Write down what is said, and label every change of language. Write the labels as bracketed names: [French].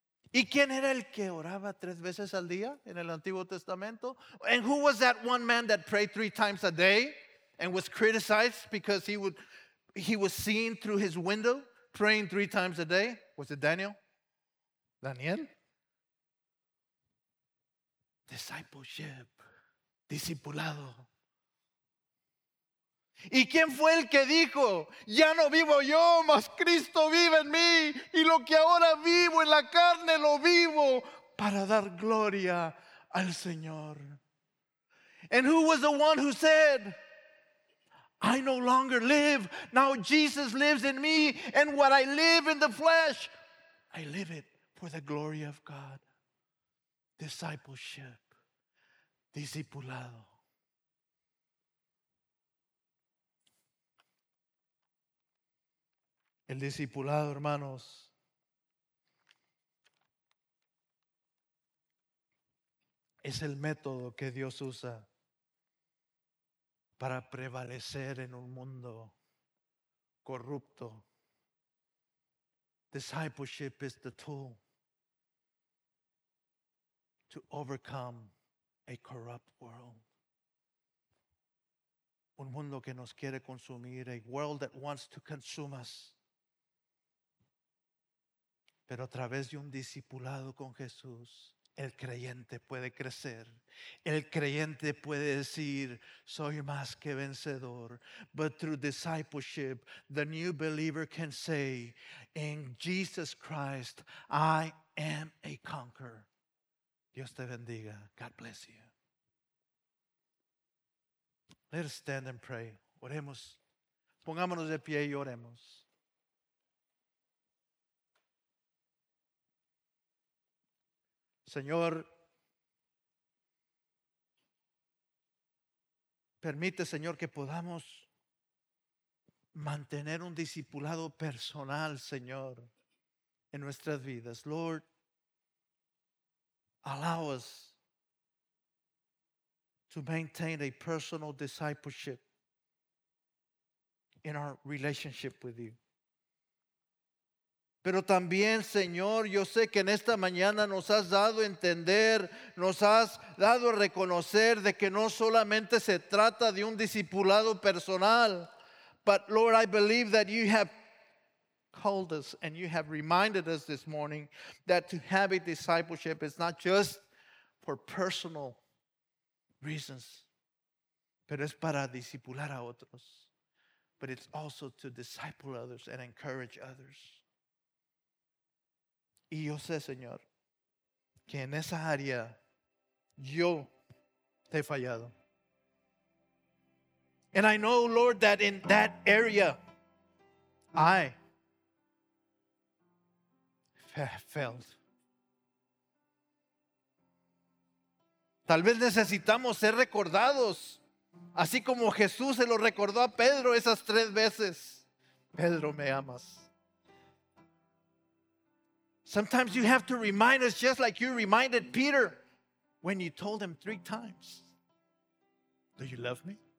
[Spanish] ¿Y quién era el que oraba tres veces al día en el Antiguo Testamento? [English] And who was that one man that prayed three times a day and was criticized because he was seen through his window praying three times a day? Was it Daniel? Daniel? Discipleship. [Spanish] Discipulado. ¿Y quién fue el que dijo, ya no vivo yo, mas Cristo vive en mí, y lo que ahora vivo en la carne lo vivo para dar gloria al Señor? [English] And who was the one who said, I no longer live, now Jesus lives in me, and what I live in the flesh, I live it for the glory of God. Discipleship. [Spanish] Discipulado. El discipulado, hermanos, es el método que Dios usa para prevalecer en un mundo corrupto. [English] Discipleship is the tool to overcome a corrupt world. [Spanish] Un mundo que nos quiere consumir, [English] a world that wants to consume us. [Spanish] Pero a través de un discipulado con Jesús, el creyente puede crecer. El creyente puede decir, soy más que vencedor. [English] But through discipleship, the new believer can say, in Jesus Christ, I am a conqueror. [Spanish] Dios te bendiga. [English] God bless you. Let us stand and pray. [Spanish] Oremos. Pongámonos de pie y oremos. Señor, permite, Señor, que podamos mantener un discipulado personal, Señor, en nuestras vidas. [English] Lord, allow us to maintain a personal discipleship in our relationship with you. [Spanish] Pero también, Señor, yo sé que en esta mañana nos has dado a entender, nos has dado a reconocer de que no solamente se trata de un discipulado personal. [English] But Lord, I believe that you have called us and you have reminded us this morning that to have a discipleship is not just for personal reasons, [Spanish] pero es para discipular a otros. [English] But it's also to disciple others and encourage others. [Spanish] Y yo sé, Señor, que en esa área yo te he fallado. [English] And I know, Lord, that in that area I failed. [Spanish] Tal vez necesitamos ser recordados, así como Jesús se lo recordó a Pedro esas tres veces. Pedro, me amas. [English] Sometimes you have to remind us just like you reminded Peter when you told him three times, do you love me?